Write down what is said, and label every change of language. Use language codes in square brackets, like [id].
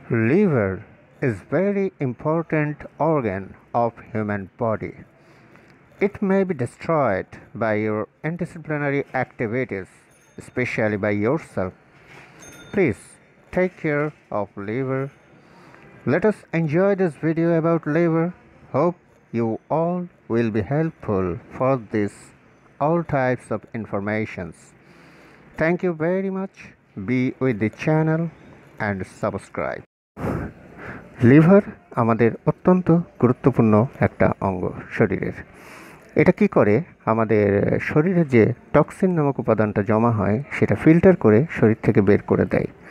[en] Liver is very important organ of human body. It may be destroyed by your indisciplinary activities, specially by yourself. Please take care of liver. Let us enjoy this video about liver. Hope you all will be helpful for this all types of informations. Thank you very much. Be with the channel and subscribe. [bn] Liver আমাদের অত্যন্ত গুরুত্বপূর্ণ একটা অঙ্গ শরীরের। এটা কি করে? আমাদের শরীরে যে টক্সিন নামক উপাদানটা জমা হয় সেটা ফিল্টার করে শরীর থেকে বের করে দেয়।